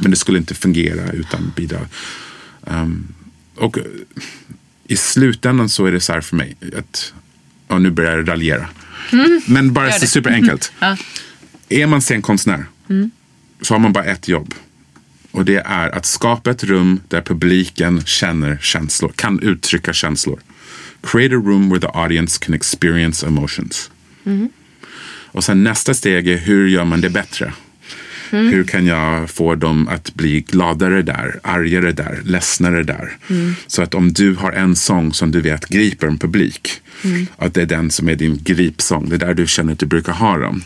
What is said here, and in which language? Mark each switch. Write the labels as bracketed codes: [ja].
[sv] Men det skulle inte fungera utan bidrag. Och i slutändan så är det så här för mig att, och nu börjar jag raljera, men bara så superenkelt. Ja. Är man scenkonstnär så har man bara ett jobb. Och det är att skapa ett rum där publiken känner känslor, kan uttrycka känslor. [en] Create a room where the audience can experience emotions. Mm. [sv] Och sen nästa steg är, hur gör man det bättre? Mm. Hur kan jag få dem att bli gladare där, argare där, ledsnare där? Mm. Så att om du har en sång som du vet griper en publik, att det är den som är din gripsång, det är där du känner att du brukar ha dem.